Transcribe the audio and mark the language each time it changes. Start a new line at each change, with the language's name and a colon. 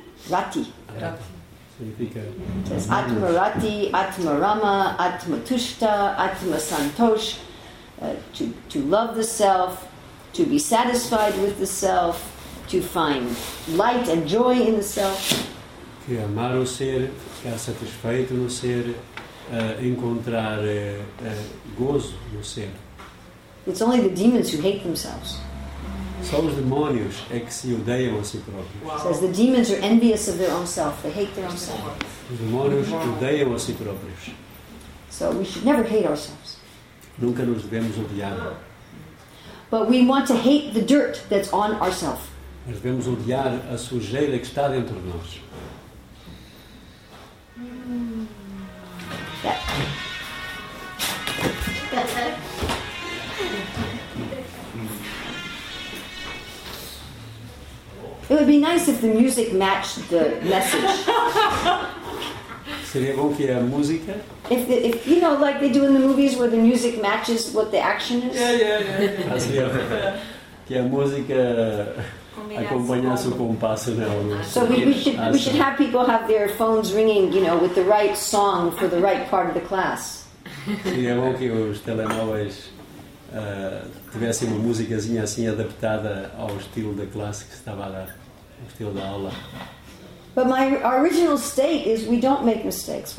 Sanskrit: Rati.
Portuguese: Rati. Significa...
English: Says Atmarati, Atmarama, Atmatushta, Atmasantosh. To love the self, to be satisfied with the self, to find light and joy in the self.
Portuguese: Que amar o ser, ficar satisfeito no ser... encontrar gozo no ser.
English: It's only the demons who hate themselves.
Portuguese: Só os demônios é que se odeiam a si próprios.
English: Wow. Says the demons are envious of their own self. They hate their own self.
Portuguese: Os demônios odeiam a si próprios.
English: So we should never hate ourselves.
Portuguese: Nunca nos devemos odiar.
English: But we want to hate the dirt that's on ourself.
Portuguese: Nós devemos odiar a sujeira que está dentro de nós.
English: It would be nice if the music matched the message.
Portuguese: Seria bom que a música.
English: If you know, like they do in the movies, where the music matches what the action is. Yeah.
Portuguese: Seria que a música acompanhasse o compasso na hora.
English: So we should have people have their phones ringing, you know, with the right song for the right part of the class.
Portuguese: Seria bom que os telemóveis tivessem uma musicazinha assim adaptada ao estilo da classe que estava a dar, ao estilo da aula.
English: But our original state is we don't make mistakes.